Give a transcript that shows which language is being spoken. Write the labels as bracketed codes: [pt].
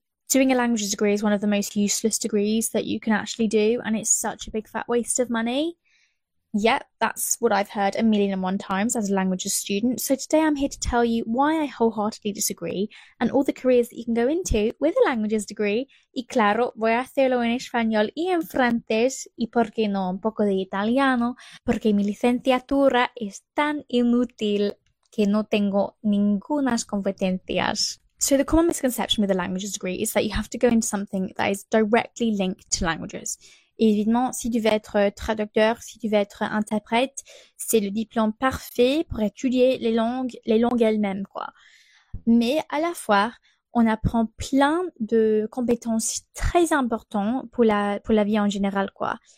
[en] Doing a language degree is one of the most useless degrees that you can actually do, and it's such a big fat waste of money. Yep, that's what I've heard a million and one times as a languages student. So today I'm here to tell you why I wholeheartedly disagree and all the careers that you can go into with a languages degree. [es] Y claro, voy a hacerlo en español y en francés y por qué no un poco de italiano, porque mi licenciatura es tan inútil que no tengo ninguna competencias. [en] So the common misconception with a languages degree is that you have to go into something that is directly linked to languages. [fr] Et évidemment, si tu veux être traducteur, si tu veux être interprète, c'est le diplôme parfait pour étudier les langues elles-mêmes, quoi. Mais à la fois, on apprend plein de compétences très importantes pour la vie en général, quoi.